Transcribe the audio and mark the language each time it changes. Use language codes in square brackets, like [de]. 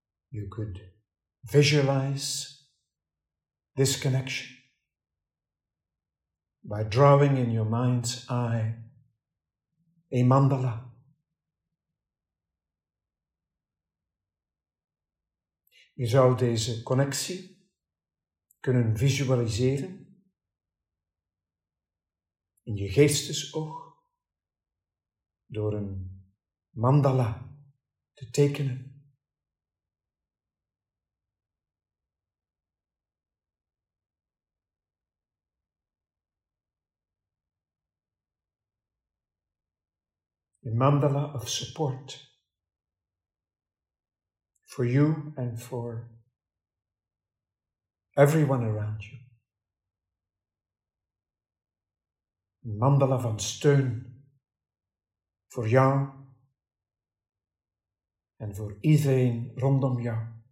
[en] You could visualize this connection by drawing in your mind's eye a mandala. [nl] Je zou deze connectie kunnen visualiseren in je geestesoog door een mandala te tekenen. [en] A mandala of support for you and for everyone around you. [nl] A mandala van steun voor jou en voor iedereen rondom jou.